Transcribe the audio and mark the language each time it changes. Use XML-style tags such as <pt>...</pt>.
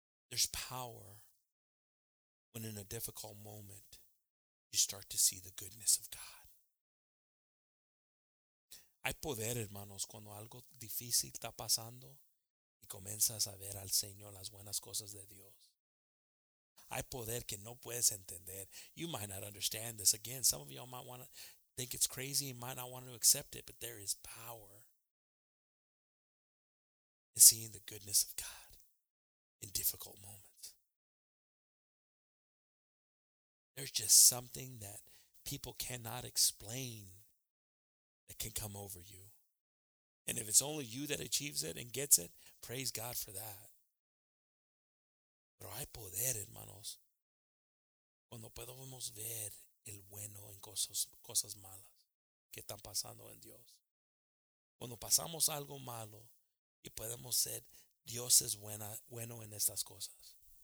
<en>There's power when in a difficult moment you start to see the goodness of God.</en> <es>Hay poder, hermanos, cuando algo difícil está pasando y comienzas a ver al Señor las buenas cosas de Dios. Hay poder que no puedes entender.</es> <en>You might not understand this. Again, some of y'all might want to think it's crazy and might not want to accept it, but there is power in seeing the goodness of God in difficult moments. There's just something that people cannot explain that can come over you. And if it's only you that achieves it and gets it, praise God for that.</en> <es>Pero hay poder, hermanos, cuando podemos ver el bueno en cosas malas que están pasando en Dios. Cuando pasamos algo malo y podemos ser, Dios es bueno en estas cosas.</es>